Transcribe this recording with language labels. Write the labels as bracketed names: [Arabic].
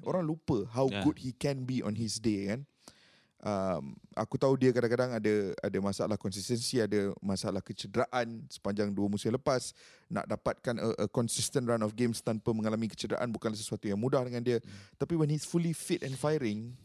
[Malay] Orang lupa [English] how good he can be on his day, kan. [Malay] Aku tahu dia kadang-kadang ada masalah konsistensi, ada masalah kecederaan sepanjang dua musim lepas. Nak dapatkan [English] a consistent run of games [Malay] tanpa mengalami kecederaan bukan sesuatu yang mudah dengan dia. [English] Tapi when he's fully fit and firing.